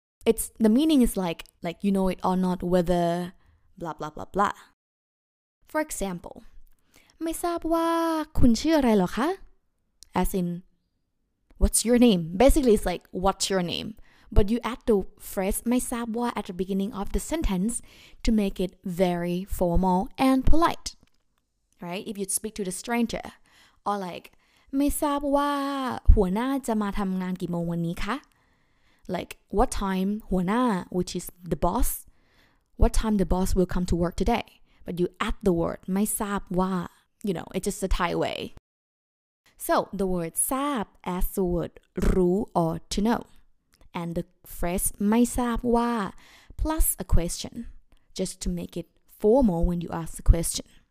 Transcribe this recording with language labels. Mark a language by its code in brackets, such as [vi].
[en] It's the meaning is like you know it or not whetherblah blah blah blah for example [th] ไม่ทราบว่าคุณชื่ออะไรหรอคะ [en] as in what's your name basically it's like what's your name but you add the phrase ไม่ทราบว่า at the beginning of the sentence to make it very formal and polite right if you'd speak to the stranger or like [th] ไม่ทราบว่าหัวหน้าจะมาทำงานกี่โมงวันนี้คะ [en] like what time หัวหน้า which is the bossWhat time the boss will come to work today? But you add the word ไม่ทราบว่า You know, it's just a Thai way. So, the word ทราบ as the word รู้ or to know. And the phrase ไม่ทราบว่า plus a question. Just to make it formal when you ask the question.